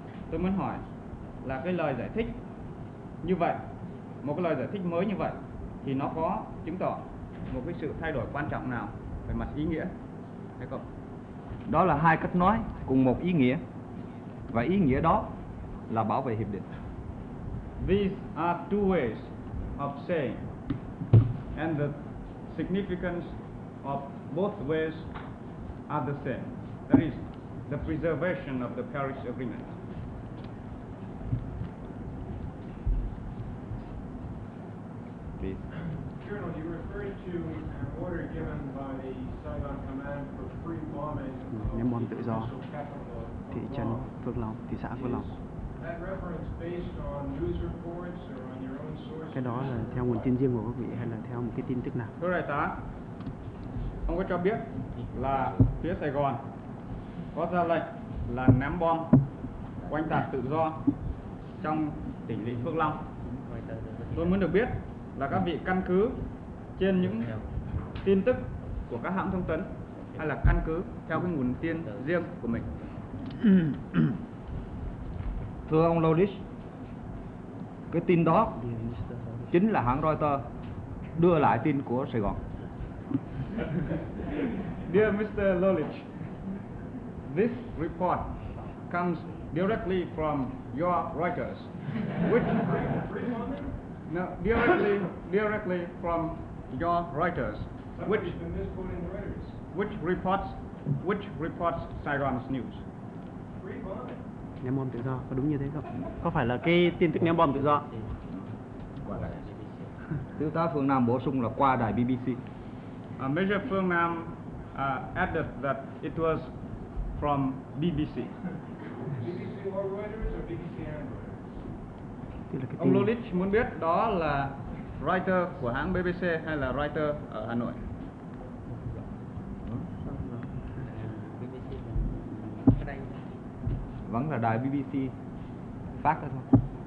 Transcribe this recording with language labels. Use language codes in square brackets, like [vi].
[vi] Tôi muốn hỏi là cái lời giải thích như vậy, một cái lời giải thích mới như vậy, thì nó có chứng tỏ một cái sự thay đổi quan trọng nào về mặt ý nghĩa hay không? Đó là hai cách nói cùng một ý nghĩa, và ý nghĩa đó là bảo vệ hiệp định. [en] These are two ways of saying, and the significance of both ways are the same. That is the preservation of the Paris Agreement. Please. Colonel, you referred to an order given by the Saigon Command for free bombing of the capital of [vi] thị trấn Phước Long, thị xã Phước Long. Cái đó là theo nguồn tin riêng của các vị hay là theo một cái tin tức nào? Thưa đại tá, ông có cho biết là phía Sài Gòn có ra lệnh là ném bom oanh tạc tự do trong tỉnh lỵ Phước Long. Tôi muốn được biết là các vị căn cứ trên những tin tức của các hãng thông tấn hay là căn cứ theo cái nguồn tin riêng của mình? Thưa ông Lodis, cái tin đó chính là hãng Reuters đưa lại tin của Sài Gòn. [en] Dear Mr. Lodis, this report comes directly from your Reuters, which no, directly from your Reuters, which reports Sài Gòn's news. [vi] Ném bom tự do có đúng như thế không? Có phải là cái tin tức ném bom tự do? Thiếu tá Phương Nam bổ sung là qua đài BBC. [en] Major Phương Nam added that it was from BBC. BBC World Reuters or BBC and Reuters? [vi] Ông Lulich muốn biết đó là writer của hãng BBC hay là writer ở Hà Nội? vẫn là đài BBC phát thôi.